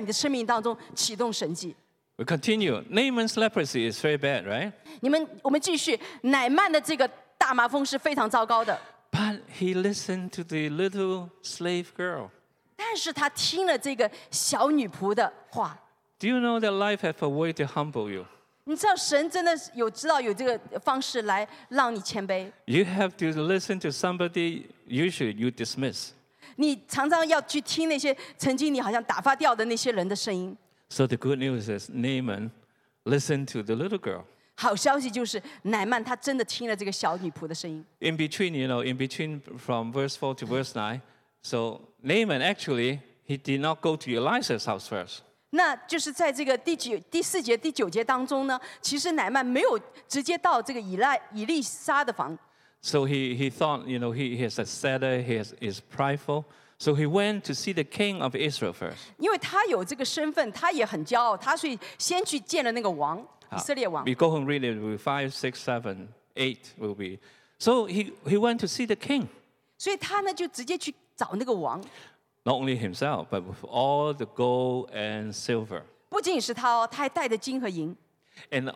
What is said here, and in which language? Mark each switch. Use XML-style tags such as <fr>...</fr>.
<zh>在开始服侍的时候，你就会在你的生命当中启动神迹。</zh> <en>We continue. Naaman's leprosy is very bad, right?</en> <zh>我们继续。乃曼的这个大麻风是非常糟糕的。</zh> <en>But he listened to the little slave girl.</en> <zh>但是他听了这个小女仆的话。</zh> <en>Do you know that life has a way to humble you?</en> <zh>你知道神真的有知道有这个方式来让你谦卑。</zh> <en>You have to listen to somebody usually you dismiss.</en> <zh>你常常要去听那些曾经你好像打发掉的那些人的声音。</zh> <en>So the good news is Naaman listened to the little girl.</en> <zh>好消息就是乃曼他真的听了这个小女仆的声音。</zh> <en>In between, you know, in between from verse 4 to verse 9, so Naaman actually, he did not go to Elisha's house first.</en> <zh>那就是在这个第四节、第九节当中呢, 其实乃曼没有直接到这个以利沙的房。</zh> <en>So he thought, you know, he is a setter, he is prideful. So he went to see the king of Israel first.</en> <zh>因为他有这个身份，他也很骄傲，他所以先去见了那个王，以色列王。</zh> <en>We go home, read it. 5, 6, 7, 8 will be. So he went to see the king.</en> <zh>所以他呢就直接去找那个王。</zh> <en>Not only himself, but with all the gold and silver.</en> <zh>不仅是他哦，他还带着金和银。</zh> <en>An</en>